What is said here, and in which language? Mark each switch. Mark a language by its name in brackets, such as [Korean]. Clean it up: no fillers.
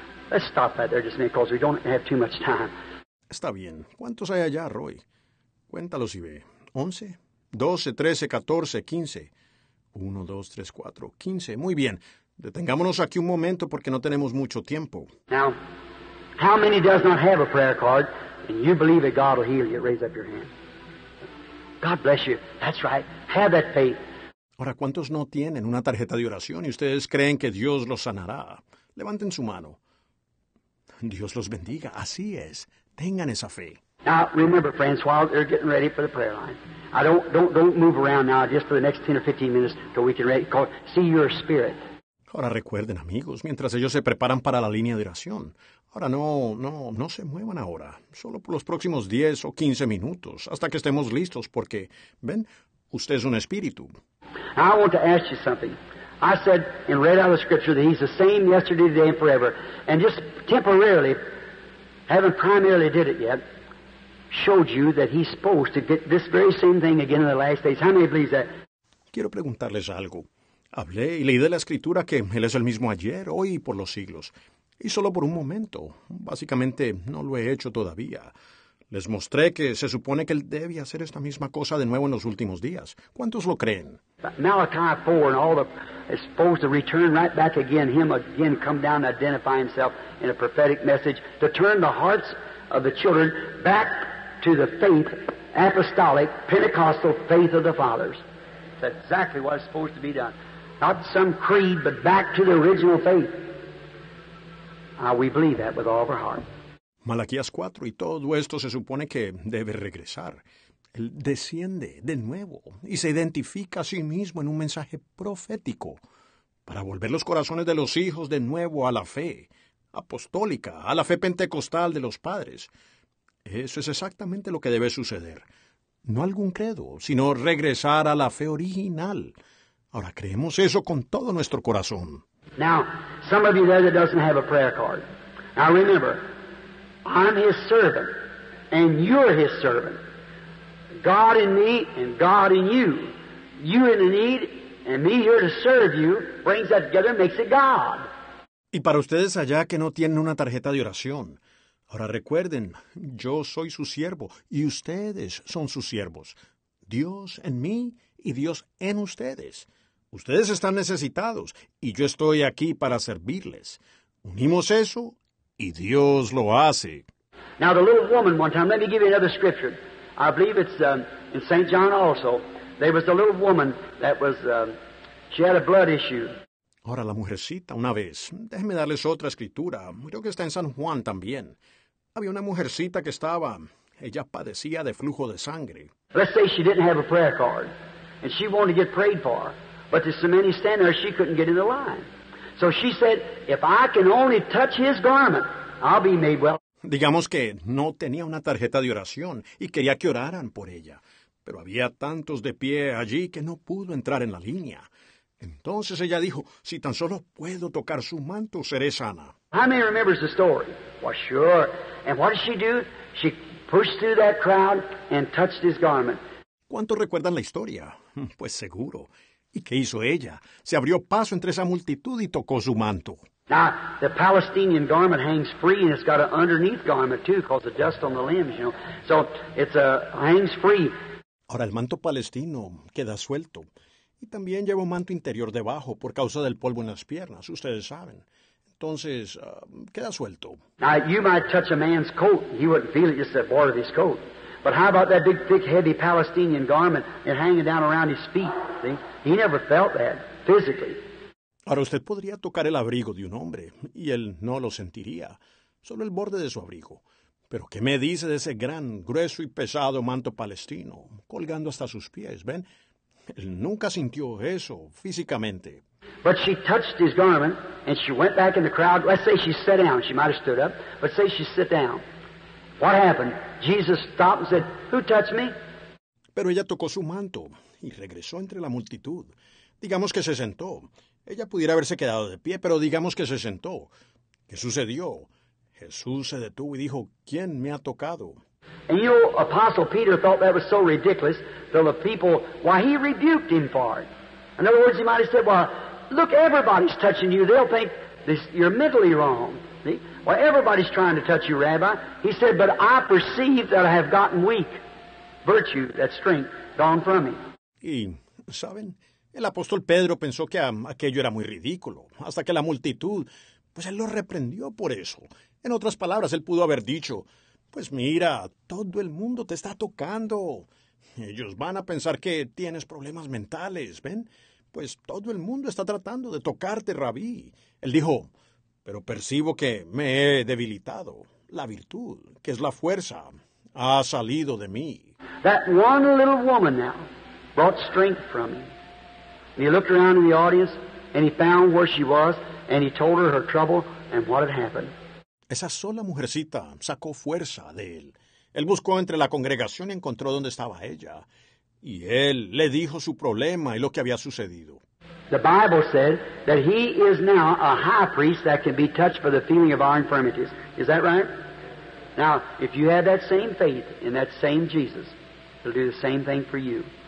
[English] Let's stop that there just a minute, because we don't have too much time. [Spanish] Está bien. ¿Cuántos hay allá, Roy? Cuéntalos y ve. 11, 12, 13, 14, 15. 1, 2, 3, 4, 15. Muy bien. Detengámonos aquí un momento porque no tenemos mucho tiempo. [English] Now, how many does not have a prayer card and you believe that God will heal you? Raise up your hand. God bless you. That's right. Have that faith. [Spanish] Ahora, ¿cuántos no tienen una tarjeta de oración y ustedes creen que Dios los sanará? Levanten su mano. Dios los bendiga. Así es. Tengan esa fe. [English] Now, remember, friends, while they're getting ready for the prayer line, I don't move around now just for the next 10 or 15 minutes till we can ready, call, see your spirit. [Spanish] Ahora recuerden, amigos, mientras ellos se preparan para la línea de oración. Ahora no se muevan ahora. Solo por los próximos 10 o 15 minutos, hasta que estemos listos, porque, ven, usted es un espíritu. [English] I want to ask you something. I said and read out of the scripture that he's the same yesterday, today, and forever. And just temporarily, haven't primarily did it yet, showed you that he's supposed to get this very same thing again in the last days. How many believe that? [Spanish] Quiero preguntarles algo. Hablé y leí de la escritura que él es el mismo ayer, hoy y por los siglos. Y solo por un momento. Básicamente, no lo he hecho todavía. Les mostré que se supone que él debe hacer esta misma cosa de nuevo en los últimos días. ¿Cuántos lo creen? [English] Malachi 4 and all the is supposed to return right back again, him again come down to identify himself in a prophetic message to turn the hearts of the children back to the faith, apostolic, Pentecostal faith of the fathers. That's exactly what is supposed to be done. Not some creed, but back to the original faith. We believe that with all of our heart. [Spanish] Malaquías 4, y todo esto se supone que debe regresar. Él desciende de nuevo y se identifica a sí mismo en un mensaje profético para volver los corazones de los hijos de nuevo a la fe apostólica, a la fe pentecostal de los padres. Eso es exactamente lo que debe suceder. No algún credo, sino regresar a la fe original. Ahora, creemos eso con todo nuestro corazón. [English] Now, some of you there that doesn't have a prayer card. Now, remember, I'm his servant, and you're his servant. God in me, and God in you. You in the need, and me here to serve you, brings that together and makes it God. [Spanish] Y para ustedes allá que no tienen una tarjeta de oración, ahora recuerden, yo soy su siervo, y ustedes son sus siervos. Dios en mí, y Dios en ustedes. Ustedes están necesitados, y yo estoy aquí para servirles. Unimos eso, y Dios lo hace. [English] Now, the little woman one time, let me give you another scripture. I believe it's in St. John also. There was a little woman that was, she had a blood issue. [Spanish] Ahora, la mujercita, una vez. Déjenme darles otra escritura. Creo que está en San Juan también. Había una mujercita que estaba, ella padecía de flujo de sangre. [English] Let's say she didn't have a prayer card, and she wanted to get prayed for. But there's so many standing there, she couldn't get in the line. So she said, if I can only touch his garment, I'll be made well. [Spanish] Digamos que no tenía una tarjeta de oración y quería que oraran por ella. Pero había tantos de pie allí que no pudo entrar en la línea. Entonces ella dijo, si tan solo puedo tocar su manto, seré sana. [English] How many remembers the story? Well, sure. And what did she do? She pushed through that crowd and touched his garment. [Spanish] ¿Cuántos recuerdan la historia? Pues seguro. ¿Y qué hizo ella? Se abrió paso entre esa multitud y tocó su manto. [English] Now, the Palestinian garment hangs free, and it's got an underneath garment, too, because of dust on the limbs, you know. So, it's a hangs free. [Spanish] Ahora, el manto palestino queda suelto. Y también lleva un manto interior debajo por causa del polvo en las piernas, ustedes saben. Entonces, queda suelto. [English] Now, you might touch a man's coat, and he wouldn't feel it, just the border of his coat. But how about that big, thick, heavy Palestinian garment and hanging down around his feet, see? He never felt that, physically. [Spanish] Ahora, usted podría tocar el abrigo de un hombre, y él no lo sentiría, solo el borde de su abrigo. Pero, ¿qué me dice de ese gran, grueso y pesado manto palestino, colgando hasta sus pies, ven? Él nunca sintió eso, físicamente. [English] But she touched his garment, and she went back in the crowd. Let's say she sat down. She might have stood up, but say she sat down. What happened? Jesus stopped and said, who touched me? [Spanish] Pero ella tocó su manto, y regresó entre la multitud. Digamos que se sentó. Ella pudiera haberse quedado de pie, pero digamos que se sentó. ¿Qué sucedió? Jesús se detuvo y dijo, ¿quién me ha tocado? [English] And you know, Apostle Peter thought that was so ridiculous, though the people, why, he rebuked him for it. In other words, he might have said, well, look, everybody's touching you. They'll think this, you're mentally wrong. See? Well, everybody's trying to touch you, Rabbi. He said, but I perceive that I have gotten weak. virtue, that strength, gone from him. [Spanish] Y, ¿saben? El apóstol Pedro pensó que aquello era muy ridículo, hasta que la multitud, pues él lo reprendió por eso. En otras palabras, él pudo haber dicho, pues mira, todo el mundo te está tocando. Ellos van a pensar que tienes problemas mentales, ¿ven? Pues todo el mundo está tratando de tocarte, Rabí. Él dijo, pero percibo que me he debilitado. La virtud, que es la fuerza, ha salido de mí. [English] That one little woman now brought strength from him. And he looked around in the audience, and he found where she was, and he told her her trouble and what had happened. [Spanish] Esa sola mujercita sacó fuerza de él. Él buscó entre la congregación y encontró dónde estaba ella. Y él le dijo su problema y lo que había sucedido. [English] The Bible said that he is now a high priest that can be touched for the feeling of our infirmities. Is that right? Now, if you have that same faith in that same Jesus, he'll do the same thing for you.